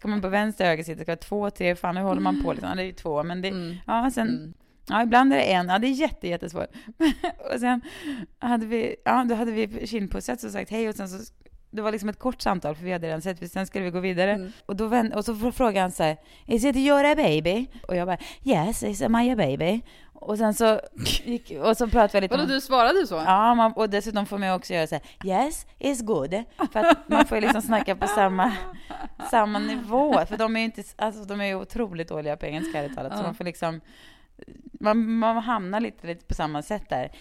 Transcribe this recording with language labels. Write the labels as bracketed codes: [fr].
[sv] Ska man på vänster höger sida, ska vara två, tre, fan hur håller man på? Liksom? Det är ju två, men det, ja, sen, ja, ibland är det en. Ja, det är jättesvårt. Och sen hade vi, ja, då hade vi kinnpussats och sagt hej och sen så. Det var liksom ett kort samtal för vi hade redan sett. Sen skulle vi gå vidare. Mm. Och, så frågade han så här, [en] is it your baby? [sv] Och jag bara, [en] yes, it's my baby. [sv] Och sen så gick, och så pratade vi lite. Vadå, du svarade så? Ja, man, och dessutom får man också göra så här, [en] yes, it's good. [sv] För att man får liksom snacka på samma nivå. För de är ju inte, alltså, de är ju otroligt dåliga på engelska i talet. Mm. Så man får liksom, man hamnar lite på samma sätt där.